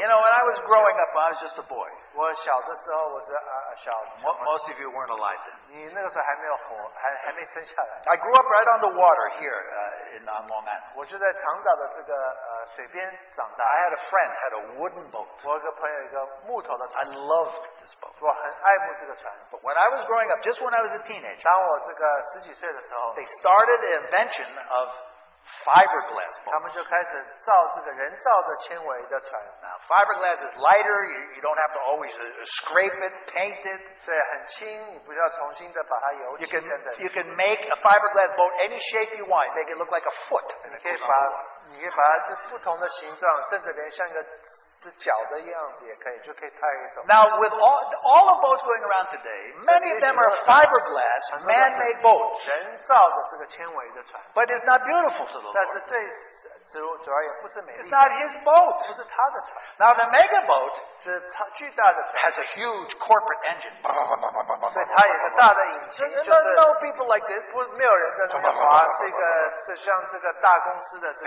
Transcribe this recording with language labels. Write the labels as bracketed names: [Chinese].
[English] you know, when I was growing up, I was just a boy. [Chinese] 我小的时候我是, 小, [English] most of you weren't alive then. [Chinese] 你那个时候还没有活, 还没生下来, [English] I grew up right on the water here in Long Island. [Chinese] 我就在长岛的这个, 水边长大, [English] I had a friend had a wooden boat. [Chinese] 我有个朋友一个木头的船, [English] I loved this boat. [Chinese] 我很爱慕这个船, [English] but when I was growing up, just when I was a teenager, [Chinese] 当我这个十几岁的时候, [English] they started the invention of fiberglass boats. [Chinese] 他们就开始造这个人造的纤维的船, [English] now, fiberglass is lighter, you don't have to always scrape it, paint it, [Chinese] 所以很轻, 你不要重新的把它油漆, [English] you can make a fiberglass boat any shape you want, make it look like a foot, and it goes on the water. [Chinese] 你可以把它不同的形状, 甚至连像一个脚的样子也可以, 就可以拍一种, [English] now, with all the boats going around today, many of them are fiberglass, man-made boats. [Chinese] 人造的这个纤维的船, [English] but it's not beautiful to the Lord. [Chinese] 但是对主而言不是美丽的, [English] it's not His boat. [Chinese] 不是他的船, [English] now, the mega boat [Chinese] 这巨大的船, [English] has a huge corporate engine. [Chinese] 所以它有一个大的引擎, [English] so you don't know people like this. [Chinese] 没有人在那边滑, 是像这个大公司的这个,